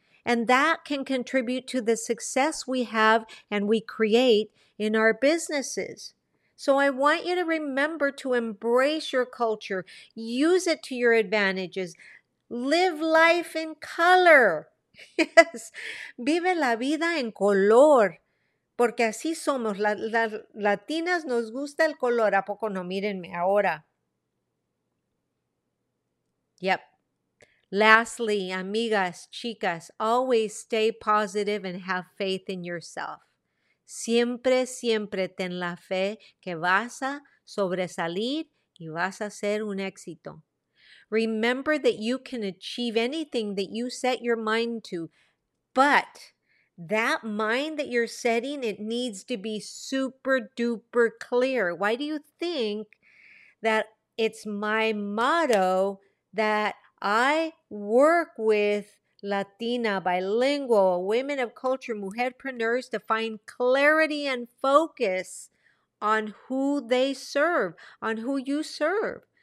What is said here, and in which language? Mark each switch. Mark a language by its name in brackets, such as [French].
[English] And that can contribute to the success we have and we create in our businesses. So I want you to remember to embrace your culture, use it to your advantages, live life in color. [Spanish] Yes, vive la vida en color. Porque así somos, las latinas nos gusta el color, ¿a poco no? Mírenme ahora. [English] Yep. Lastly, amigas, chicas, always stay positive and have faith in yourself. [Spanish] Siempre, siempre ten la fe que vas a sobresalir y vas a ser un éxito. [English] Remember that you can achieve anything that you set your mind to, but that mind that you're setting, it needs to be super duper clear. Why do you think that it's my motto that I work with Latina, bilingual, women of culture, mujerpreneurs to find clarity and focus on who they serve, on who you serve?